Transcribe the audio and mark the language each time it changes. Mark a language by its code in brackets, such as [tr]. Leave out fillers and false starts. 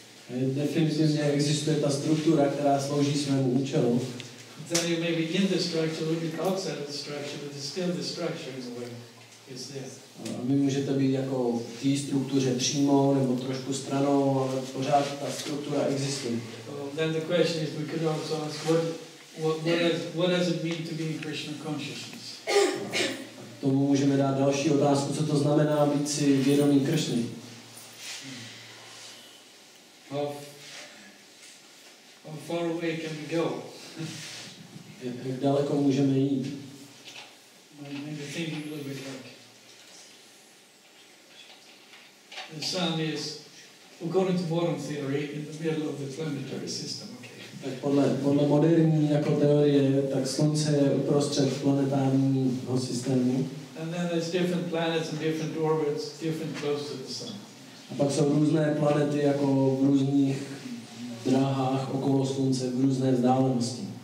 [cs] definitivně existuje ta struktura, která slouží svému účelu. [en] Then you may be in the structure, you may be outside of the structure, but it's still the structure in a way. It's there. [cs] A my můžete být jako v té struktuře přímo nebo trošku stranou, ale pořád ta struktura existuje. [en] Then the question is, we could also ask, what does it mean to be in Krishna consciousness? [cs] A k tomu můžeme dát další otázku, co to znamená být si vědomý Krishny. [en] How far away can we go? [cs] Jak daleko můžeme jít? [en] Maybe thinking a little bit like the sun is, according to modern theory, in the middle of the planetary system. Okay. [cs] Tak podle moderní jako teorie, tak slunce je uprostřed planetárního systému. [en] And then there's different planets and different orbits, different close to the sun. [cs] A pak jsou různé planety jako v různých dráhách okolo slunce v různé vzdálenosti.